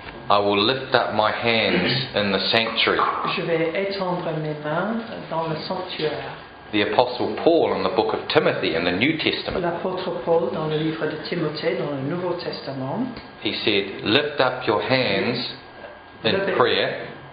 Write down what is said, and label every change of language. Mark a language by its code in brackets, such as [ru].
[en] I will lift up my hands in the sanctuary. [fr] Je vais étendre mes mains dans le sanctuaire. [en] The Apostle Paul in the book of Timothy in the New Testament. [fr] L'apôtre Paul dans le livre de Timothée dans le Nouveau Testament. [en] He said, lift up your hands in prayer.